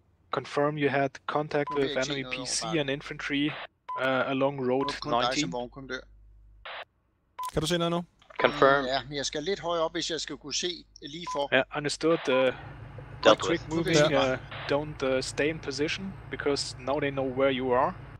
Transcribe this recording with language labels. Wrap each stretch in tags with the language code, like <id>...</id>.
<en>Confirm you had contact with enemy PC and infantry along road 19.</en> <da>Kan du se noget nu?</da> <en>Confirm.</en> <da>Ja, men jeg skal lidt højere op, hvis jeg skal kunne se lige for.</da> <en>Ja, understood. Dealt quick with. Moving, okay. Don't stay in position, because now they know where you are.</en>